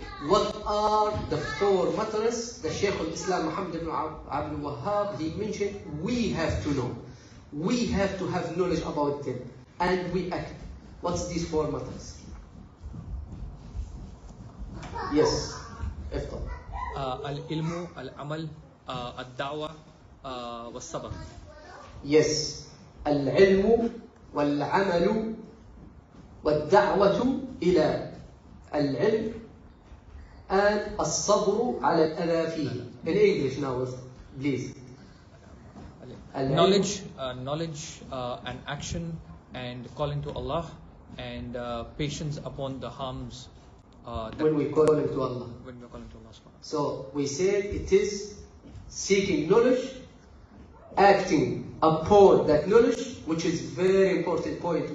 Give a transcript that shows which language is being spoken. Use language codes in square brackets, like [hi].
[en] What are the four matters the Shaykh al-Islam Muhammad ibn Abdul Wahhab, he mentioned, we have to know. We have to have knowledge about them, and we act. What's these four matters? Yes, [ar] افضل. العلم, العمل, الدعوة, والصبر. Yes, العلم والعمل والدعوة إلى العلم and الصبر على الأذى فيه. [en] In English now, please. Knowledge, and action, and calling to Allah, and patience upon the harms. When we call to Allah. So we say it is seeking knowledge, acting upon that knowledge, which is very important point.